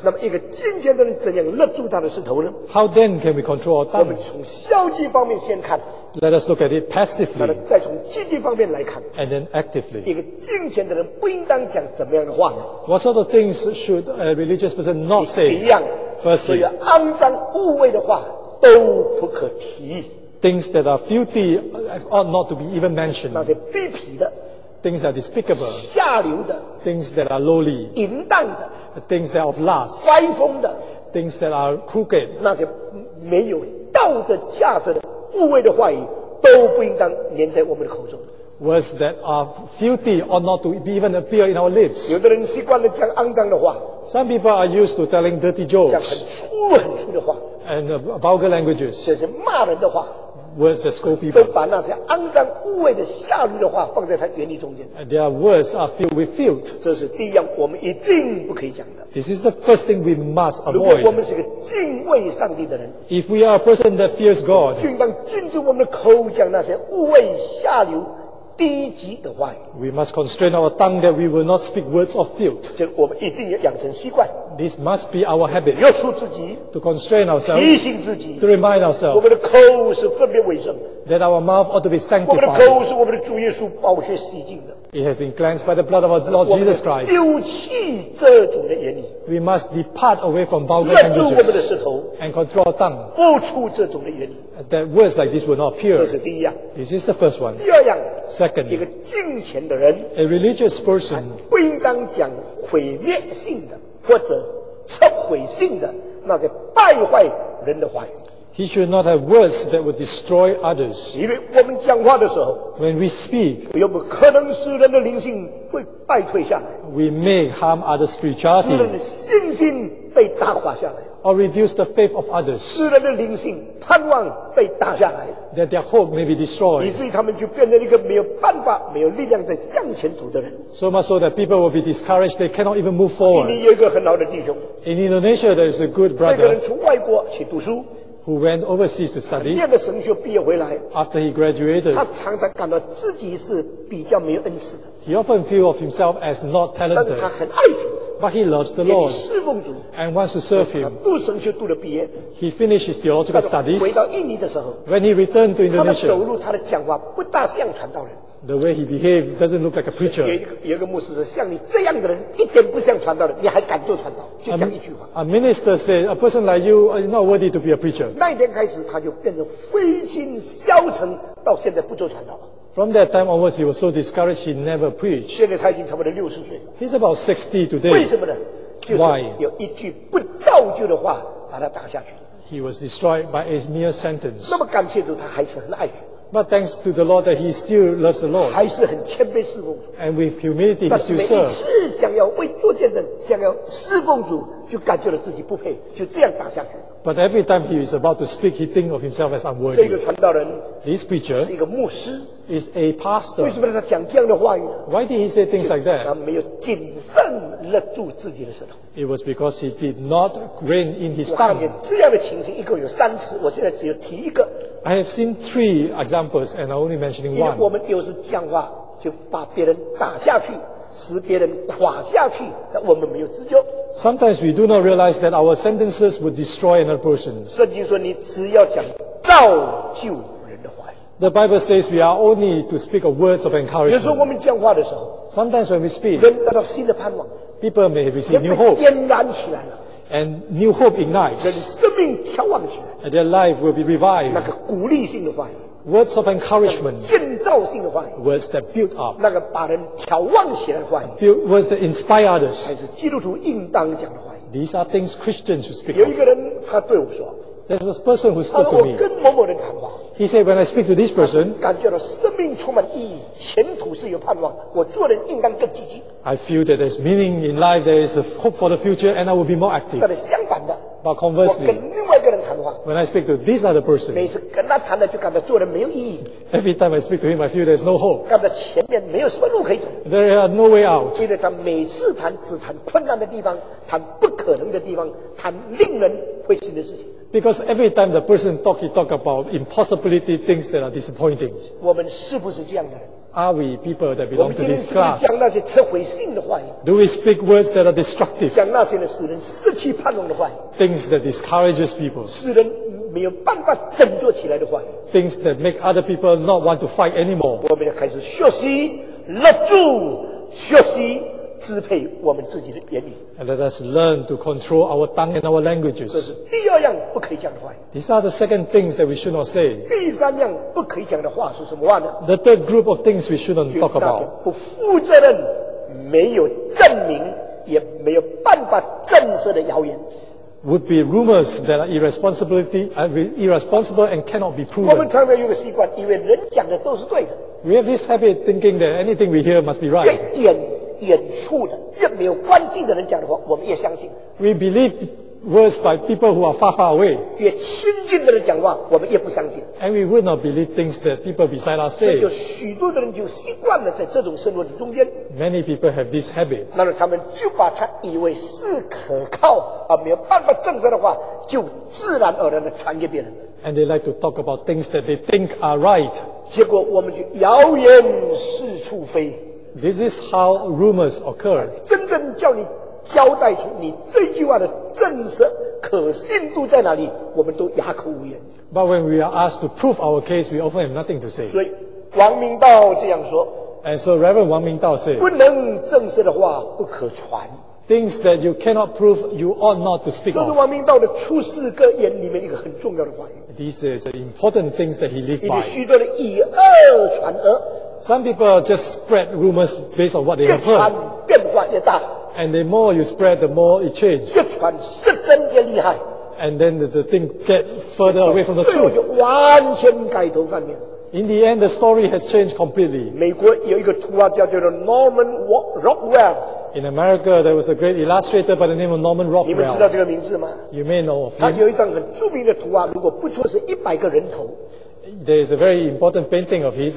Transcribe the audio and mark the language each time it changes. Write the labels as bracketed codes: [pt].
[zh] 那么一个敬虔的人怎样勒住他的舌头呢？ [en] How then can we control our tongue? [zh] 我们从消极方面先看。 [en] Let us look at it passively. [zh] 再从积极方面来看。 [en] And then actively. [zh] 一个敬虔的人不应当讲怎么样的话呢？ [en] What sort of things should a religious person not say? [zh] 一样。 [en] Firstly. [zh] 所以肮脏污秽的话都不可提。 [en] Things that are filthy ought not to be even mentioned. [zh] 那些卑鄙的。 [en] Things that are despicable. [zh] 下流的。 [en] Things that are lowly. [zh] 淫荡的。 [en] Things that are of lust. [zh] 歪风的。 [en] Things that are crooked. [zh] 那些没有道德价值的污秽的话语都不应当粘在我们的口中。 [en] Words that are filthy or not to even appear in our lips. [zh] 有的人习惯了讲肮脏的话。 [en] Some people are used to telling dirty jokes. [zh] 讲很粗的话。 [en] And vulgar languages. [zh] 这是骂人的话。 [en] Words that scold people. [zh] 都把那些肮脏污秽的下流的话放在他言语中间。 [en] And their words are filled with filth. [zh] 这是第一样我们一定不可以讲的。 [en] This is the first thing we must avoid. [zh] 如果我们是个敬畏上帝的人。 [en] If we are a person that fears God. [zh] 就应当禁止我们的口讲那些污秽下流低级的话语。 [en] We must constrain our tongue that we will not speak words of filth. [zh] 这我们一定要养成习惯。 [en] This must be our habit. [zh] 约束自己。 [en] To constrain ourselves. [zh] 提醒自己。 [en] To remind ourselves. [zh] 我们的口是分别为圣。 [en] That our mouth ought to be sanctified. [zh] 我们的口是我们的主耶稣宝血洗净的。 [en] It has been cleansed by the blood of our Lord Jesus Christ. [zh] 丢弃这种的言语。 [en] We must depart away from vulgar languages. [zh] 约束我们的舌头。 [en] And control our tongue. [zh] 不出这种的言语。 [en] That words like this will not appear. [zh] 这是第一样。 [en] This is the first one. [zh] 第二样。 [en] Second. [zh] 一个敬虔的人。 [en] A religious person. [zh] 不应当讲毁灭性的或者摧毁性的那个败坏人的话语。 [en] He should not have words that would destroy others. [zh] 因为我们讲话的时候 [en] ，When we speak, [zh] 有不可能使人的灵性会败退下来。 [en] We may harm other spirituality. [zh] 使人的信心被打垮下来。 [en] Or reduce the faith of others. [zh] 使人的灵性盼望被打下来。 [en] That their hope may be destroyed. [zh] 以至于他们就变成一个没有办法、没有力量在向前走的人。 [en] So much so that people will be discouraged. They cannot even move forward. [zh] 印尼有一个很好的弟兄。 [en] In Indonesia, there is a good brother. [zh] 这个人从外国去读书。 [en] Who went overseas to study? [zh] 念了神学毕业回来。 [en] After he graduated, [zh] 他常常感到自己是比较没有恩赐的。 [en] He often feels of himself as not talented. [zh] 但他很爱主。 [en] But he loves the Lord. [zh] 愿意侍奉主。 [en] And wants to serve him. [zh] 读神学读了毕业。 [en] He finished his theological studies. [zh] 回到印尼的时候。 [en] When he returned to Indonesia, [zh] 他的走路、他的讲话不大像传道人。 [en] The way he behaved doesn't look like a preacher. [zh] 有一个牧师说，像你这样的人，一点不像传道人，你还敢做传道？就讲一句话。 [en] A minister said, a person like you is not worthy to be a preacher. [zh] 那一天开始，他就变得灰心消沉，到现在不做传道。 [en] From that time onwards, he was so discouraged he never preached. [zh] 现在他已经差不多60岁了。 [en] He's about 60 today. [zh] 为什么呢？就是有一句不造就的话把他打下去了。 [en] He was destroyed by a mere sentence. [zh] 那么感谢主，他还是很爱主。 [en] But thanks to the Lord that he still loves the Lord. [zh] 还是很谦卑侍奉主。 [en] And with humility, he still serves. [zh] 但是每一次想要为做见证，想要侍奉主，就感觉到自己不配，就这样打下去。 [en] But every time he is about to speak, he thinks of himself as unworthy. [zh] 这个传道人 [en] ，this preacher [zh] 是一个牧师 [en] ，is a pastor. [zh] 为什么他讲这样的话语 [en] ？Why did he say things like that? [zh] 他没有谨慎勒住自己的舌头。 [en] It was because he did not rein in his tongue. [zh] 我看见这样的情形一共有三次，我现在只有提一个。 [en] I have seen three examples, and I'm only mentioning one. [zh] 因为我们有时讲话就把别人打下去，使别人垮下去，但我们没有自救。 [en] Sometimes we do not realize that our sentences would destroy another person. [zh] 圣经说，你只要讲造就人的话。 [en] The Bible says we are only to speak of words of encouragement. [zh] 有时候我们讲话的时候 [en] ，Sometimes when we speak, [zh] 人得到新的盼望 [en] ，People may receive new hope. [zh] 点燃起来了。 [en] And new hope ignites. [zh] 人生命眺望起来。 [en] And their life will be revived. [zh] 那个鼓励性的话语。 [en] Words of encouragement. [zh] 建造性的话语。 [en] Words that build up. [zh] 那个把人眺望起来的话语。 [en] Build words that inspire others. [zh] 还是基督徒应当讲的话语。 [en] These are things Christians should speak. [zh] 有一个人他对我说。 [en] There was a person who spoke to me. [zh] 我跟某某人谈话。 [en] He said, when I speak to this person, [zh] 感觉到生命充满意义，前途是有盼望，我做人应当更积极。 [en] I feel that there's meaning in life, there is a hope for the future, and I will be more active. [zh] 但是相反的， [en] But conversely, [zh] 我跟另外一个人谈话， [en] when I speak to this other person, [zh] 每次跟他谈了就感到做人没有意义。 [en] Every time I speak to him, I feel there's no hope. [zh] 感到前面没有什么路可以走。 [en] There are no way out. [zh] 因为他每次谈只谈困难的地方，谈不可能的地方，谈令人灰心的事情。 [en] Because every time the person talk, he talk about impossibility, things that are disappointing. [zh] 我们是不是这样的人？ [en] Are we people that belong to this class? [zh] 我们今天是不是讲那些摧毁性的话语？ [en] Do we speak words that are destructive? [zh] 讲那些呢，使人失去盼望的话语？ [en] Things that discourages people. [zh] 使人没有办法振作起来的话语？ [en] Things that make other people not want to fight anymore. [zh] 我们要开始学习，勒住，学习支配我们自己的言语。 [en] And let us learn to control our tongue and our languages. [zh] 这是第二样不可以讲的话。 [en] These are the second things that we should not say. [zh] 第三样不可以讲的话是什么话呢？ [en] The third group of things we shouldn't talk about. [zh] 那些不负责任、没有证明、也没有办法证实的谣言。 [en] Would be rumors that are irresponsible and cannot be proven. [zh] 我们常常有个习惯，以为人讲的都是对的。 [en] We have this habit thinking that anything we hear must be right. [zh] 远处的越没有关系的人讲的话，我们越相信。 [en] We believe words by people who are far far away. [zh] 越亲近的人讲话，我们越不相信。 [en] And we would not believe things that people beside us say. [zh] 所以，有许多的人就习惯了在这种生活的中间。 [en] Many people have this habit. [zh] 那么，他们就把他以为是可靠而没有办法证实的话，就自然而然的传给别人。 [en] And they like to talk about things that they think are right. [zh] 结果我们就谣言四处飞。 [en] This is how rumors occur. [zh] 真正叫你交代出你这句话的证实可信度在哪里，我们都哑口无言。 [en] But when we are asked to prove our case, we often have nothing to say. [zh] 所以王明道这样说。 [en] And so Reverend Wang Mingdao said, [zh] 不能证实的话不可传。 [en] Things that you cannot prove, you ought not to speak of. [zh] 这是王明道的出世格言里面一个很重要的话语。 [en] These are important things that he lived by. [zh] 以及许多的以讹传讹。 [en] Some people just spread rumors based on what they have heard. [zh] 越传变化越大。 [en] And the more you spread, the more it changes. [zh] 越传是真越厉害。 [en] And then the thing gets further away from the truth. [zh] 最后就完全改头换面。 [en] In the end, the story has changed completely. [zh] 美国有一个图画叫做 Norman Rockwell. [en] In America, there was a great illustrator by the name of Norman Rockwell. [zh] 你们知道这个名字吗？ [en] You may know of him. [zh] 他有一张很著名的图画，如果不错是100个人头。 [en] There is a very important painting of his.